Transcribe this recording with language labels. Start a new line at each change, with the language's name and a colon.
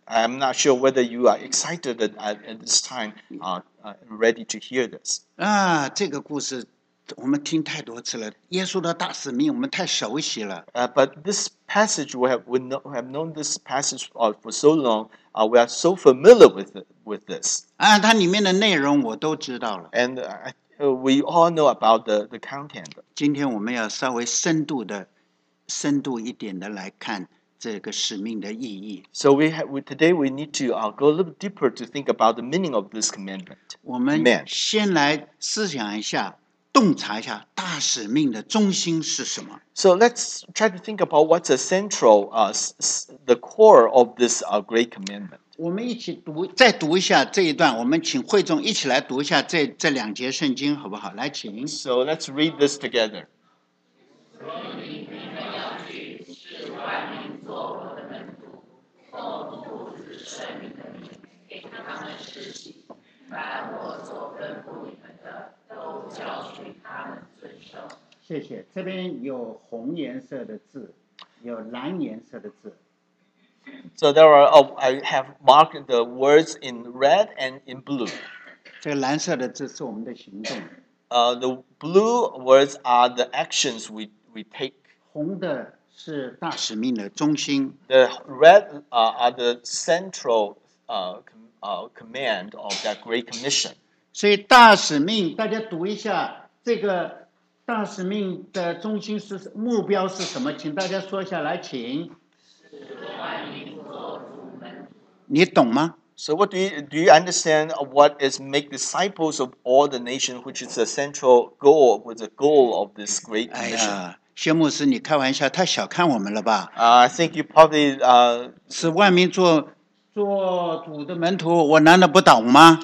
English: I'm not sure whether you are excited at this time, ready to hear this.
Chinese: 啊，这个故事我们听太多次了，耶稣的大使命我们太熟悉了。
English: But this passage we have known this passage for so long. We are so familiar with this.
Chinese: 啊，它里面的内容我都知道了。
English: And we all know about the content.
Chinese: 今天我们要稍微深度一点的来看这个使命的意义。
English: So today we need to go a little deeper to think about the meaning of this commandment.
Chinese: 我们先来思想一下。洞察一下大使命的中心是什么。
English: So let's try to think about what's the central, the core of this great commandment.
Chinese: 我们一起读，再读一下这一段。我们请会众一起来读一下这两节圣经，好不好？来，请。
English: So let's read this together.
Chinese: 所以你们要去，使万民做我的门徒，奉父子圣灵的名，给他们施洗，凡我所吩咐你们。谢谢。这边有红颜色的字，有蓝颜色的字。
English: So there are, I have marked the words in red and in blue.
Chinese: 这个蓝色的字是我们的行动。
English: The blue words are the actions we take.
Chinese: 红的是大使命的中心。
English: The red are the central command of that great commission.
Chinese: 所以大使命，大家读一下这个大使命的中心是目标是什么？请大家说下来，请。你懂吗
English: ？So what do you understand? What is make disciples of all the nation, which is the central goal, with the goal of this great commission?
Chinese: 哎呀，薛牧师，你开玩笑，太小看我们了吧
English: ？I think you probably
Chinese: 使万民做。做主的门徒，我难道不懂吗